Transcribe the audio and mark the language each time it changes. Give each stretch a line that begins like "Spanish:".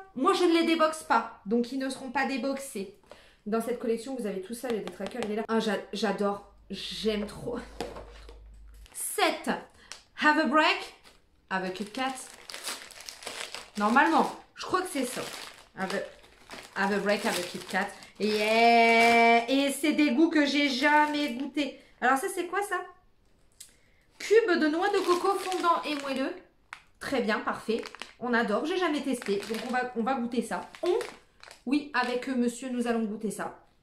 French: Moi, je ne les déboxe pas. Donc, ils ne seront pas déboxés. Dans cette collection, vous avez tout ça, le détraqueur, il est là. Ah, j'adore. J'aime trop. 7.
English: Have a break. Have a Kit Kat.
French: Normalement, je crois que c'est ça.
English: Have a break, have a Kit Kat. Yeah!
French: Et c'est des goûts que j'ai jamais goûté. Alors ça, c'est quoi ça? Cube de noix de coco fondant et moelleux. Très bien, parfait. On adore, j'ai jamais testé. Donc on va goûter ça. Oui, avec monsieur, nous allons goûter ça.